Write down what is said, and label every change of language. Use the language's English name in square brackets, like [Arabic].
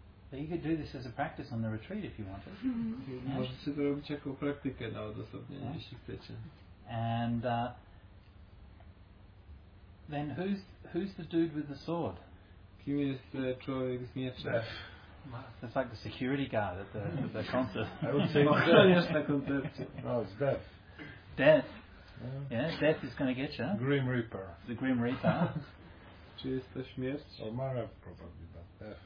[English] But you could do this as a practice on the retreat if you wanted. Mm-hmm. [Polish] Możecie to robić jako praktykę na odosobnienie, yeah, jeśli chcecie. [English] And then who's the dude with the sword? [Polish] Kim jest człowiek z mieczem? [English] It's like the security guard at the concert. I would say it's Death. No, it's Death. Death. Yeah, Death is going to get you. Grim Reaper. The Grim Reaper. [Polish] Czy jest to śmierć? [English] Or Marev probably, but Death.